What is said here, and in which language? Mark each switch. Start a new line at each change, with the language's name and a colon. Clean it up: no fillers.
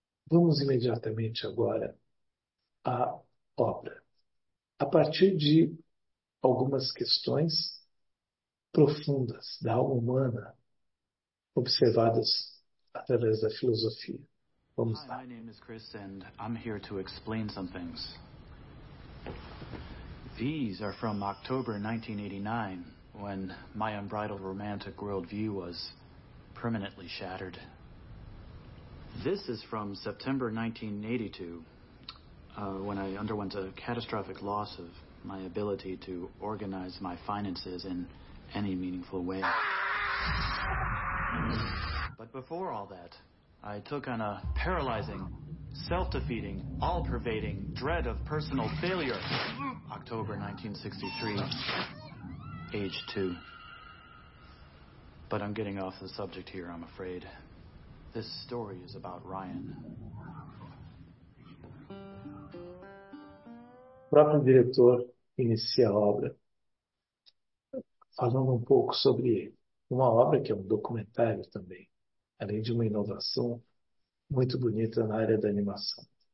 Portuguese: Vamos imediatamente agora à obra. A partir de algumas questões profundas da alma humana, observadas através da filosofia. Vamos
English: Hi,
Portuguese: lá.
English: my name is Chris, and I'm here to explain some things. These are from October 1989, when my unbridled romantic worldview was permanently shattered. This is from September 1982, when I underwent a catastrophic loss of my ability to organize my finances in any meaningful way. But before all that, I took on a paralyzing, self-defeating, all-pervading dread of personal failure. October 1963, age 2. But I'm getting off the subject here, I'm afraid. This story is about Ryan.
Portuguese: O próprio diretor inicia a obra falando um pouco sobre ele. Uma obra que é um documentário também, além de uma inovação muito bonita na área da animação.